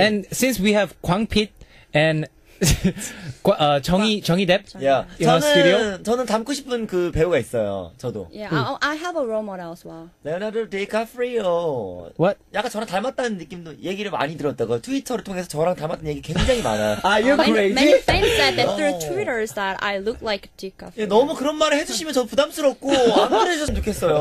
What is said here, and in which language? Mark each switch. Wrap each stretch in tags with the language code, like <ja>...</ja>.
<en>And since we have 광핏 and 정이뎁 yeah.</en> <ko>저는 닮고 싶은 그 배우가 있어요. 저도.</ko> <en>Yeah, I have a role model as well. Leonardo DiCaprio. What?</en> <ko>약간 저랑 닮았다는 느낌도 얘기를 많이 들었다고. 트위터를 통해서 저랑 닮았던 얘기 굉장히 많아요.</ko> <en>Ah, you're crazy. Many fans said that through Twitter that I look like DiCaprio.</en> <ko>너무 그런 말을 해주시면 저 부담스럽고 안 그러셨으면 좋겠어요.</ko>